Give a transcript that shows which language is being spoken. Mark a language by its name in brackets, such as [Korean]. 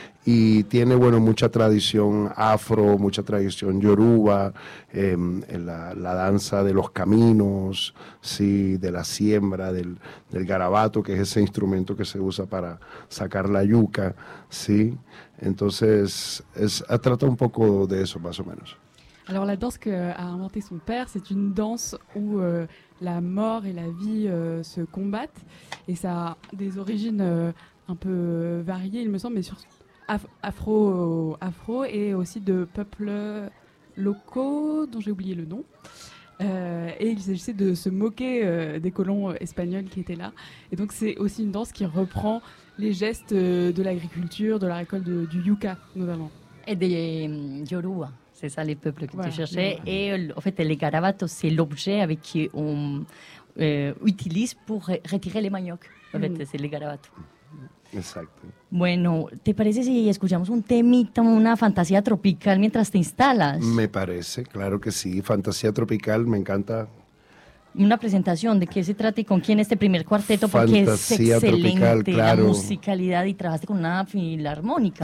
[Spanish] Y tiene, bueno, mucha tradición afro, mucha tradición yoruba, la danza de los caminos, ¿sí? De la siembra, del garabato, que es ese instrumento que se usa para sacar la yuca, ¿sí? Entonces, trata un poco de eso, más o menos. [French] Alors, la danse qu'a inventé son père, c'est une danse où la mort et la vie se combattent. Et ça a des origines un peu variées, il me semble, mais sur afro et aussi de peuples locaux dont j'ai oublié le nom. Et il s'agissait de se moquer des colons espagnols qui étaient là. Et donc, c'est aussi une danse qui reprend les gestes de l'agriculture, de la récolte du yuca, notamment. Et des yoruba. C'est ça les peuples que tu cherchais. Et en fait, les garabatos, c'est l'objet avec qui on utilise pour retirer les maniocs. En fait, c'est les garabatos. Exact. [Spanish] Bueno, ¿te parece si escuchamos un temita, una fantasía tropical mientras te instalas? Me parece, claro que sí. Fantasía tropical, me encanta. Una presentación de qué se trata y con quién este primer cuarteto, porque Fantasía es excelente tropical, claro. La musicalidad y trabajaste con una filarmónica.